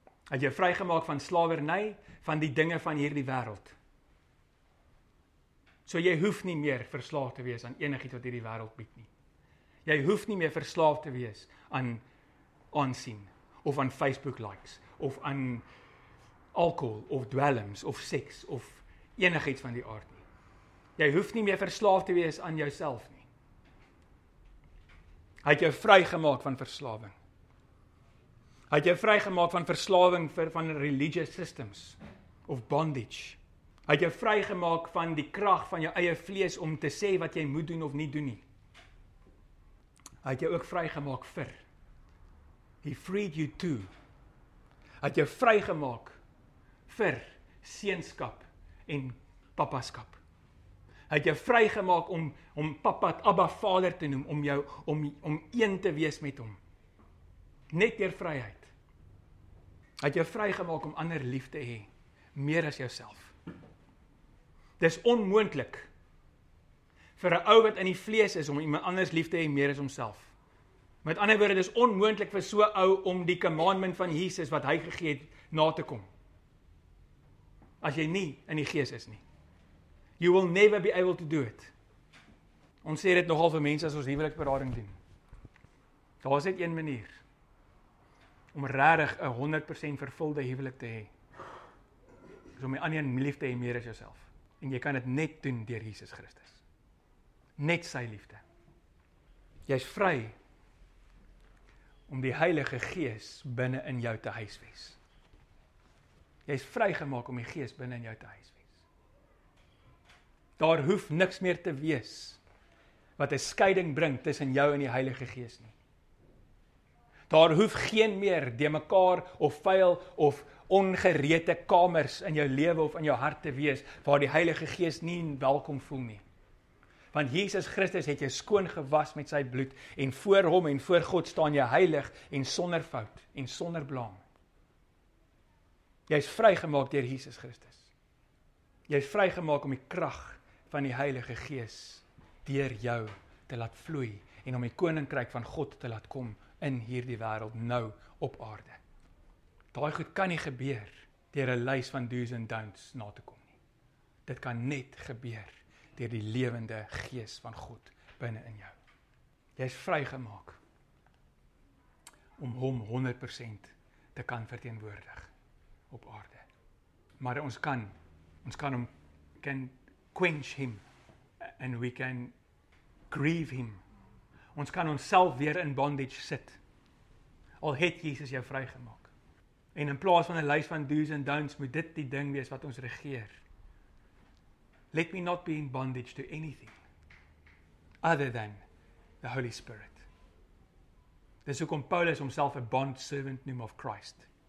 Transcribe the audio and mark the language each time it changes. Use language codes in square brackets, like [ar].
[af] Het jou vrygemaak van slawerny, van die dinge van hierdie wêreld. So jy hoef nie meer verslaaf te wees aan enigiets wat hierdie wêreld bied nie. Jy hoef nie meer verslaaf te wees aan aansien, of aan Facebook likes, of aan alcohol, of dwelms, of seks, of enigiets van die aard nie. Jy hoef nie meer verslaaf te wees aan jouself nie. Hy het jou vrygemaak van verslawing. Hy het jou vrygemaak van verslawing van [en] religious systems, [af] of [en] bondage. [af] Hy het jou vrygemaak van die krag van jou eie vlees om te sê wat jy moet doen of nie doen nie. Hy het jou ook vrygemaak vir. [en] He freed you to. [af] Hy het jou vrygemaak vir seenskap en papaskap. Hy het jou vrygemaak om papa, Abba, Vader te noem, om een te wees met hom. Net deur vryheid. Hy het jou vrygemaak om ander lief te hê, meer as jouself. Dis onmoontlik vir 'n ou wat in die vlees is om iemand anders lief te hê meer as homself. Met ander woorde, dis onmoontlik vir so 'n ou om die commandment van Jesus wat hy gegee het na te kom. As jy nie in die gees is nie. [en] You will never be able to do it. [af] Ons sê dit nogal vir mense as ons huweliksberading doen. Daar is net een manier om regtig 'n 100% vervulde huwelik te hê. Is om die ander lief te hê meer as jouself. En jy kan dit net doen deur Jesus Christus. Net sy liefde. Jy's vry om die Heilige Gees binne in jou te huisves. Jy's vrygemaak om die Gees binne in jou te huisves. Daar hoef niks meer te wees wat 'n skeiding bring tussen jou en die Heilige Gees nie. Daar hoef geen meer de mekaar of vuil of ongereede kamers in jou lewe of in jou hart te wees waar die Heilige Gees nie welkom voel nie. Want Jesus Christus het jou skoon gewas met sy bloed en voor hom en voor God staan jy heilig en sonder fout en sonder blaam. Jy is vrygemaak deur Jesus Christus. Jy is vrygemaak om die krag van die Heilige Gees deur jou te laat vloei en om die koninkryk van God te laat kom in hierdie wêreld nou op aarde. Daai goed kan nie gebeur deur 'n lys van [en] do's [af] en [en] don'ts [af] na te kom nie. Dit kan net gebeur deur die lewende gees van God binne in jou. Jy is vrygemaak om hom 100% te kan verteenwoordig op aarde. Maar ons kan hom [en] can quench him and we can grieve him. [af] Ons kan onsself weer in [en] bondage [af] sit. Al het Jesus jou vrygemaak. En in plaas van 'n lys van [en] do's and don'ts [af] moet dit die ding wees wat ons regeer. [en] Let me not be in bondage to anything other than the Holy Spirit. [af] Dis hoekom Paulus homself 'n [en] bond servant [af] noem [en] of Christ.